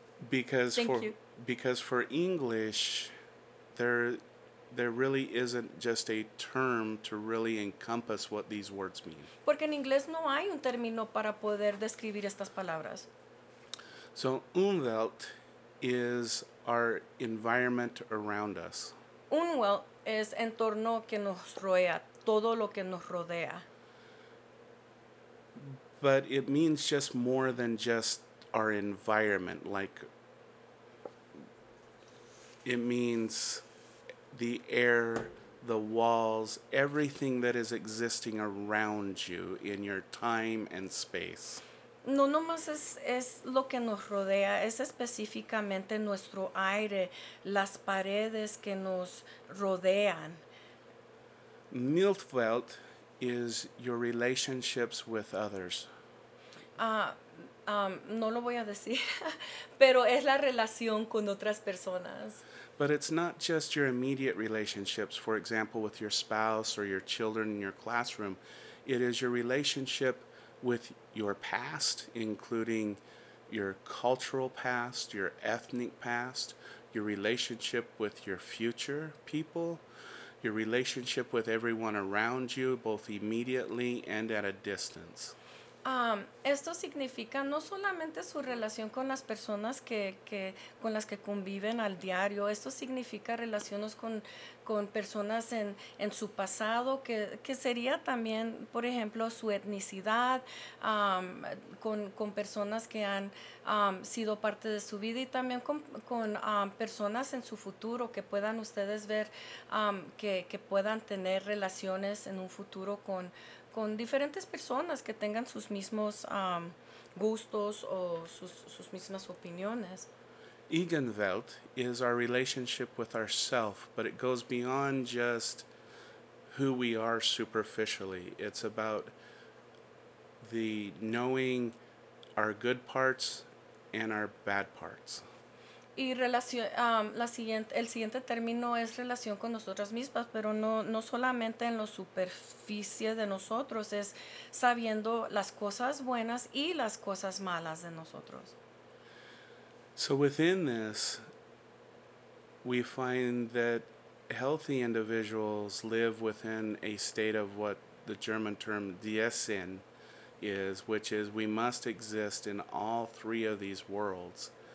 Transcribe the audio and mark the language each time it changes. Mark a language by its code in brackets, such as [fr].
[en] Because for English, there really isn't just a term to really encompass what these words mean. [es] Porque en inglés no hay un término para poder describir estas palabras. [en] So Umwelt is our environment around us. [es] Umwelt es entorno que nos rodea, todo lo que nos rodea. [en] But it means just more than just our environment. Like, it means the air, the walls, everything that is existing around you in your time and space. [es] No nomás es lo que nos rodea, es específicamente nuestro aire, las paredes que nos rodean. [en] Miltwelt is your relationships with others. [es] No lo voy a decir, pero es la relación con otras personas. [en] But it's not just your immediate relationships, for example, with your spouse or your children in your classroom. It is your relationship with your past, including your cultural past, your ethnic past, your relationship with your future people, your relationship with everyone around you, both immediately and at a distance. [es] Esto significa no solamente su relación con las personas que con las que conviven al diario, esto significa relaciones con personas en su pasado, que sería también, por ejemplo, su etnicidad, con personas que han sido parte de su vida y también con personas en su futuro que puedan ustedes ver que puedan tener relaciones en un futuro con diferentes personas que tengan sus mismos gustos o sus mismas opiniones. [en] Eigenwelt is our relationship with ourself, but it goes beyond just who we are superficially. It's about the knowing our good parts and our bad parts. [es] Y el siguiente término es relación con nosotras mismas, pero no solamente en la superficie de nosotros, es sabiendo las cosas buenas y las cosas malas de nosotros. [en] So within this, we find that healthy individuals live within a state of what the German term Diesen is, which is we must exist in all three of these worlds.